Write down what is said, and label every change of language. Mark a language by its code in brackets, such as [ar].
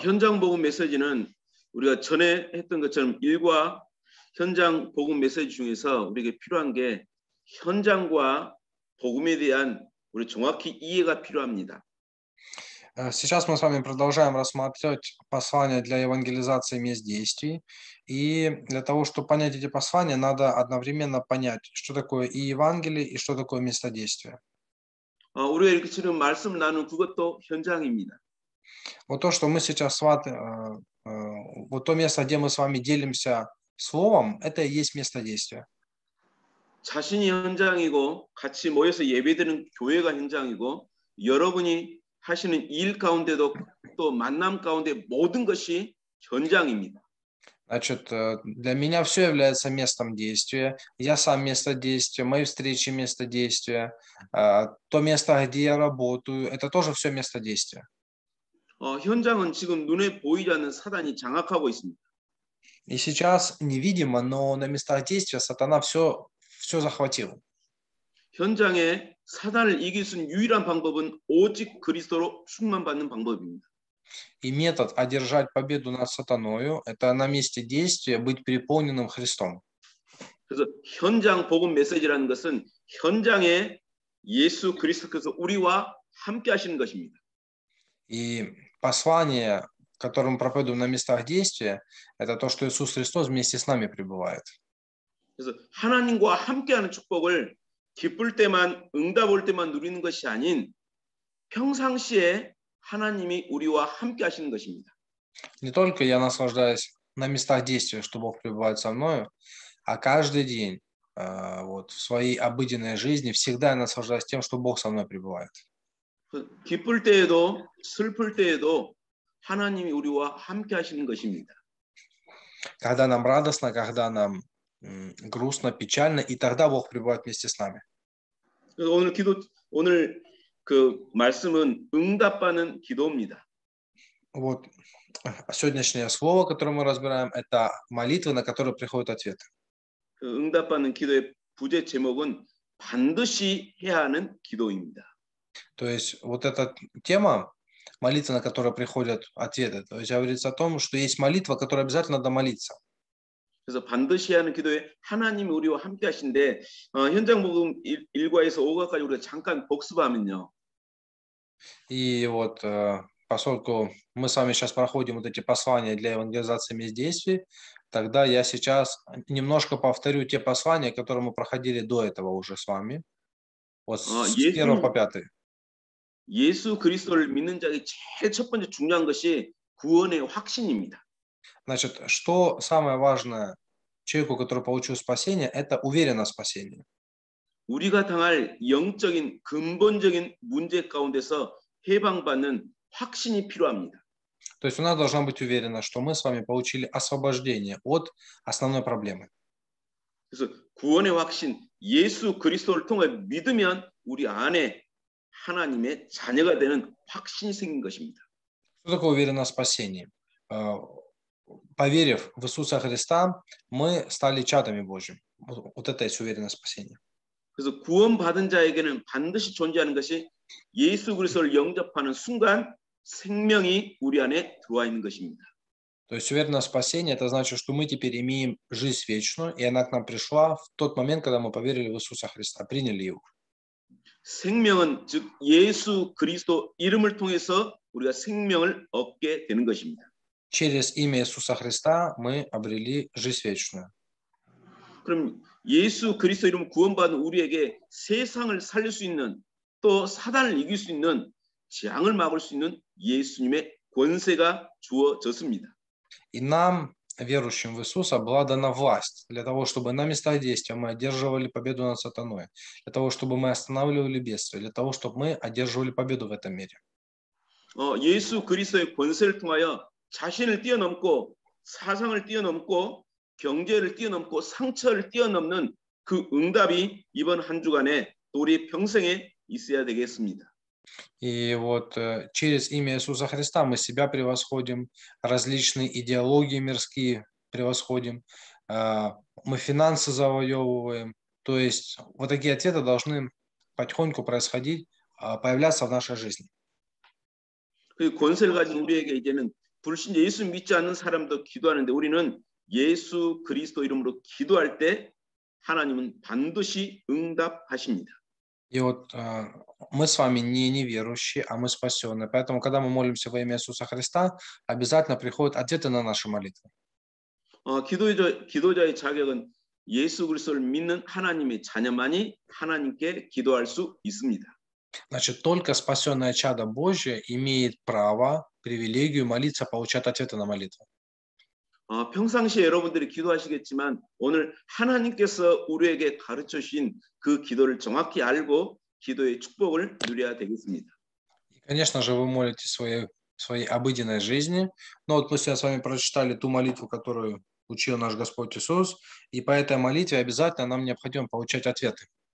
[ko] 현장 복음 메시지는 우리가 전에 했던 것처럼 일과 현장 복음 메시지 중에서 우리에게 필요한 게 현장과 복음에 대한 우리 정확히 이해가 필요합니다. [ru] Сейчас мы с вами продолжаем рассматривать послания для евангелизации мест действий. И для того, чтобы понять эти послания, надо одновременно понять, что такое и Евангелие, и что такое место действия. [ko] 우리가 이렇게 지금 말씀 나누는 그것도 현장입니다. [ru] Вот то, что мы сейчас с вами, вот то место, где мы с вами делимся словом, это и есть место действия. [ko] 자신이 현장이고 같이 모여서 예배드리는 교회가 현장이고 여러분이 하시는 일 가운데도 또 만남 가운데 모든 것이 현장입니다. [ru] Значит, для меня все является местом действия. Я сам место действия, мои встречи место действия, то место, где я работаю, это тоже все место действия. [ko] 현장은 지금 눈에 보이지 않는 사단이 장악하고 있습니다. [ru] И сейчас невидимо, но на местах действия сатана все захватил. [ko] 현장에 사단을 이길 수 있는 유일한 방법은 오직 그리스도로 충만받는 방법입니다. [ru] И метод одержать победу над сатаною – это на месте действия быть переполненным Христом. [ko] 그래서 현장 복음 메시지라는 것은 현장에 예수 그리스도께서 우리와 함께 하시는 것입니다. [ru] И послание, которое мы проповедуем на местах действия, это то, что Иисус Христос вместе с нами пребывает. [ko] 그래서 하나님과 함께하는 축복을 기쁠 때만, 응답 올 때만 누리는 것이 아닌 평상시에 하나님이 우리와 함께 하시는 것입니다. [ru] Не только я наслаждаюсь на местах действия, что Бог пребывает со мною, а каждый день, вот в своей обыденной жизни всегда я наслаждаюсь тем, что Бог со мной пребывает. [ko] 기쁠 때에도 슬플 때에도 하나님이 우리와 함께 하시는 것입니다. [ru] Когда нам радостно, когда нам грустно, печально, и тогда Бог пребывает вместе с нами. [ko] 오늘 기도 오늘 그 말씀은 응답받는 기도입니다. [ru] Вот сегодняшнее слово, которое мы разбираем, это молитва, на которую приходит ответ. [ko] 그 응답받는 기도의 부제 제목은 반드시 해야 하는 기도입니다. [ru] То есть вот эта тема молитва, на которую приходят ответы, то есть говорится о том, что есть молитва, которой обязательно надо молиться. [ko] 그래서 반드시 하는 기도에 하나님이 우리와 함께 하신데 현장 복음 1과에서 5과까지 우리가 잠깐 복습하면요. [ru] И вот поскольку мы с вами сейчас проходим вот эти послания для евангелизации мест действий, тогда я сейчас немножко повторю те послания, которые мы проходили до этого уже с вами. Вот с 1 по 5. [ko] 예수 그리스도를 믿는 자의 제일 첫 번째 중요한 것이 구원의 확신입니다. [ru] Значит, что самое важное человеку, который получил спасение, это уверенность в спасении. [ko] 우리가 당할 영적인 근본적인 문제 가운데서 해방받는 확신이 필요합니다. [ru] То есть у нас должна быть уверенность, что мы с вами получили освобождение от основной проблемы. [ko] 그래서 구원의 확신, 예수 그리스도를 통해 믿으면 우리 안에 하나님의 자녀가 되는 확신이 생긴 것입니다. [ru] Что такое уверенность в спасении? Поверив в Иисуса Христа, мы стали чадами Божьим. Вот это есть уверенность в спасении. [ko] 그래서 구원받은 자에게는 반드시 존재하는 것이 예수 그리스도를 영접하는 순간 생명이 우리 안에 들어와 있는 것입니다. [ru] То есть уверенность в спасении это значит, что мы теперь имеем жизнь вечную, и она к нам пришла в тот момент, когда мы поверили в Иисуса Христа, приняли его. [ko] 생명은 즉 예수 그리스도 이름을 통해서 우리가 생명을 얻게 되는 것입니다. [ru] Через имя Иисуса Христа мы обрели жизнь вечную. [ko] 그럼 예수 그리스도 이름 구원받은 우리에게 세상을 살릴 수 있는 또 사단을 이길 수 있는 재앙을 막을 수 있는 예수님의 권세가 주어졌습니다. [ru] И нам, верующим в Иисуса, была дана власть для того, чтобы на местах действия мы одерживали победу над сатаной, для того, чтобы мы останавливали бедствие, для того, чтобы мы одерживали победу в этом мире. [ko] 예수 그리스도의 권세를 통하여 자신을 뛰어넘고 사상을 뛰어넘고 경제를 뛰어넘고 상처를 뛰어넘는 그 응답이 이번 한 주간에 우리 평생에 있어야 되겠습니다. [ru] И вот через имя Иисуса Христа мы себя превосходим, различные идеологии мирские превосходим, мы финансы завоевываем. То есть вот такие ответы должны потихоньку происходить, появляться в нашей жизни. [ko] 그 권세를 가진 우리에게 이제는 불신 예수 믿지 않는 사람도 기도하는데 우리는 예수 그리스도 이름으로 기도할 때 하나님은 반드시 응답하십니다. [ru] И вот мы с вами не неверующие, а мы спасенные. Поэтому, когда мы молимся во имя Иисуса Христа, обязательно приходят ответы на наши молитвы. [ko] 기도자의 자격은 예수 그리스도를 믿는 하나님의 자녀만이 하나님께 기도할 수 있습니다. [ru] Значит, только спасенное чадо Божье имеет право, привилегию молиться, получать ответы на молитву. [ko] 평상시에 여러분들이 기도하시겠지만 오늘 하나님께서 우리에게 가르쳐 주신 그 기도를 정확히 알고 기도의 축복을 누려야 되겠습니다. [ru] конечно же, вы молитесь своей обыденной жизни. Но вот мы сегодня с вами прочитали ту молитву, которую учил наш Господь Иисус, и по этой молитве обязательно нам необходимо получать ответы.